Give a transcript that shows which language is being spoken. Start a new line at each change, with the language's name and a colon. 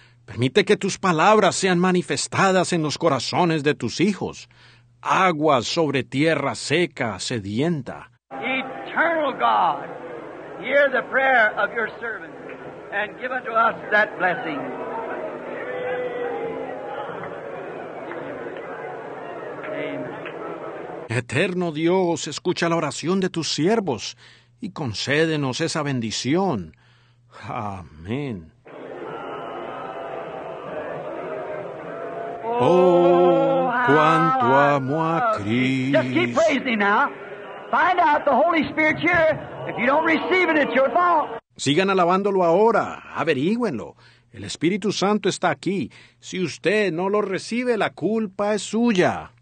Spanish: Permite que tus palabras sean manifestadas en los corazones de tus hijos. Aguas sobre tierra seca, sedienta.
English: Eternal God, hear the prayer of your servant and give unto us that blessing. Amen.
Spanish: Eterno Dios, escucha la oración de tus siervos y concédenos esa bendición. Amén. Oh, cuánto amo a Cristo.
English: Just keep praising Him now. Find out the Holy Spirit here. If you don't receive it, it's your fault.
Spanish: Sigan alabándolo ahora. Averígüenlo. El Espíritu Santo está aquí. Si usted no lo recibe, la culpa es suya.